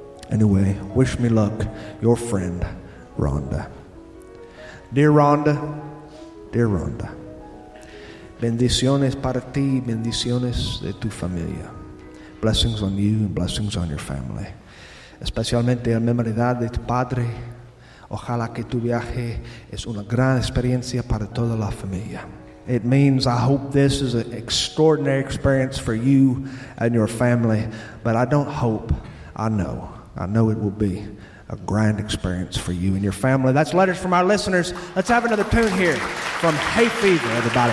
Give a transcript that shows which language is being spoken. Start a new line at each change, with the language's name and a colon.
English: Anyway, wish me luck, your friend, Rhonda. Dear Rhonda, dear Rhonda,
Spanish: bendiciones para ti, bendiciones de tu familia.
English: Blessings on you and blessings on your family.
Spanish: Especialmente en memoria de tu padre. Ojalá que tu viaje es una gran experiencia para toda la familia.
English: It means I hope this is an extraordinary experience for you and your family, but I don't hope, I know. I know it will be a grand experience for you and your family. That's letters from our listeners. Let's have another tune here from Hay Fever, everybody.